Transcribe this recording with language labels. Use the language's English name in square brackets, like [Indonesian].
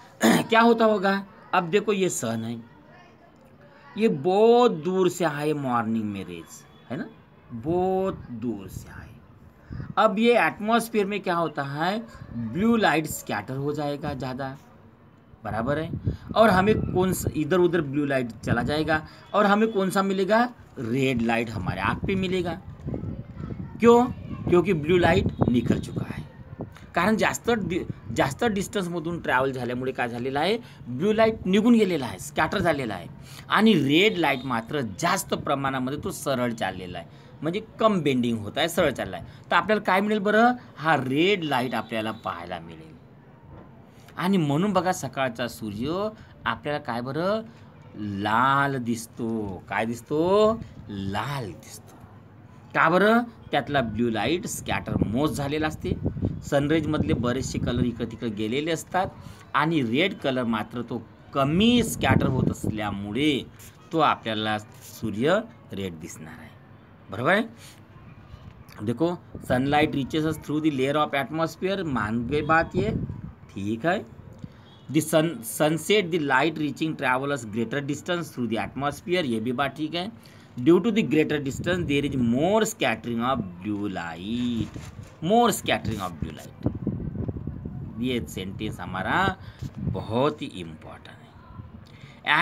[Hindi] क्या होता होगा? अब देखो, ये सन है, ये बहुत दूर से आए मॉर्निंग में रेज, है ना, बहुत दूर से आए. अब ये एटमॉस्फेयर में क्या होता है, ब्लू लाइट स्कैटर हो जाएगा ज़्यादा, बराबर है, और हमें कौन सा, इधर उधर ब्लू लाइट चला जाएगा और हमें कौन सा मिलेगा, रेड लाइट हमारे आँख पे मिलेगा. क्यों? क्योंकि ब्लू लाइट निकल चुका है, [Marathi] कारण जास्त डिस्टन्समधून ट्रॅव्हल झाल्यामुळे काय झालेलं आहे, ब्लू लाईट निघून गेलेला आहे, स्कॅटर झालेला आहे. आणि रेड लाईट मात्र जास्त प्रमाणामध्ये तो सरळ चाललेला आहे, म्हणजे कम बेंडिंग होत आहे, सरळ चालला आहे. तर आपल्याला काय मिळेल बरं? हा रेड लाईट आपल्याला पाहायला मिळेल. आणि म्हणून बघा, सकाळचा सूर्य आपल्याला काय बरं, लाल दिसतो. काय दिसतो? लाल दिसतो. का बरं? त्यातला ब्ल्यू लाईट स्कॅटर मोस्ट झालेला असते, सनरेजमधले बरेचसे कलर इकडे तिकडे गेलेले असतात, आणि रेड कलर मात्र तो कमी स्कॅटर होत असल्यामुळे तो आपल्याला सूर्य रेड दिसणार आहे, बरोबर आहे. [Hindi] देखो, [English] sunlight reaches us through the layer of atmosphere, [Hindi] मान गए बात ये, [Marathi] ठीक आहे. [English] the sunset the light reaching travel as greater distance through the atmosphere, [Hindi] ये बी बात [Marathi] ठीक आहे. [English] Due to the greater distance there is more scattering of blue light, more scattering of blue light. [Hindi] ये सेंटेंस हमारा बहुत ही important है.